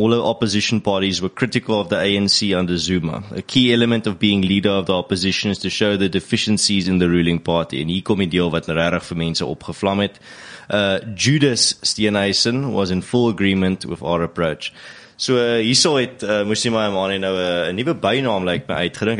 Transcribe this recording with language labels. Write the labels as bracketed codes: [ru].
[en] All the opposition parties were critical of the ANC under Zuma. A key element of being leader of the opposition is to show the deficiencies in the ruling party. [af] En hier kom die deel wat regtig vir mense opgevlam het. [en] Judas Steenhuisen was in full agreement with our approach. [af] So hierso het Moosie Maimane nou 'n nuwe bynaam lyk my uitgedink.